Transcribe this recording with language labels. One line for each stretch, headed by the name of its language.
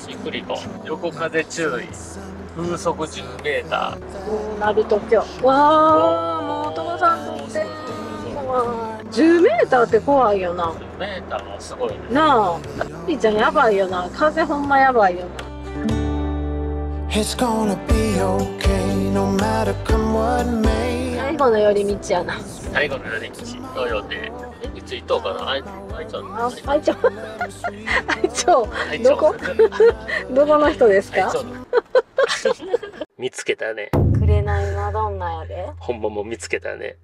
Japanese: ゆっくり行こう。横風注意。風速10メーター。もうなると今日。わあ、もう父さん乗って。10メーターって怖いよな。 10メーターもすごいね。なあ、ピーちゃんやばいよな。風ほんまやばいよな。
English: It's gonna be okay, no matter come what may.
Japanese: 最後の寄り道やな。最後の寄り道、どうよいつ行っとうかな、あいちゃん。あいちゃん。あいちゃん。どこどこの人ですか。見つけたね。くれないマドンナやで。ほんまも見つけたね。